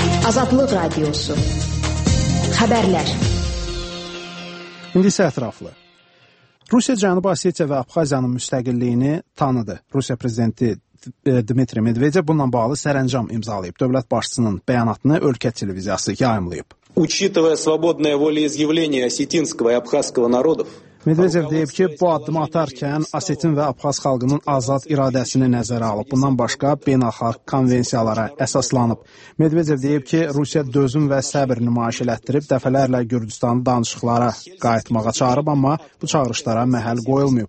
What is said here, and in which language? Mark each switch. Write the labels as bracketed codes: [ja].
[az] Azadlıq Radiosu. Xəbərlər. İndi isə ətraflı. Rusiya Cənubi Osetiya və Abxaziyanın müstəqilliyini tanıdı. Rusiya prezidenti Dmitri Medvedev bununla bağlı sərəncam imzalayıb. Dövlət başçısının bəyanatını ölkə televiziyası yayımlayıb. [ru] Учитывая свободное волеизъявление осетинского и абхазского народов, [az] Medvedev deyib ki, bu addımı atarkən Osetin və Abxaz xalqının azad iradəsini nəzərə alıb. Bundan başqa beynəlxalq konvensiyalara əsaslanıb. Medvedev deyib ki, Rusiya dözüm və səbr nümayiş elətdirib, dəfələrlə Gürcüstanı danışıqlara qayıtmağa çağırıb, amma bu çağırışlara məhəl qoyulmayıb.